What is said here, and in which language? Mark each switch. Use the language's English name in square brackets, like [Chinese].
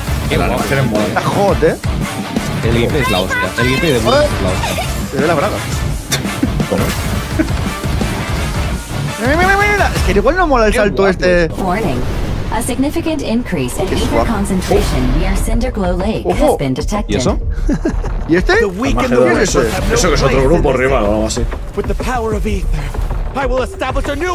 [Spanish] Qué la animación es mola. Está hot, eh. El gameplay es la hostia. El gameplay de Burmis es la hostia. Se ve la braga. ¿Cómo? ¡Mira! Es que igual no mola el salto este. [English] Warning. A significant increase in heat concentration near Cinder Glow Lake has been detected. [Spanish] ¿Y eso? ¿Y este? Eso que es otro grupo arriba o algo así. [English] With the power of ether, I will establish a new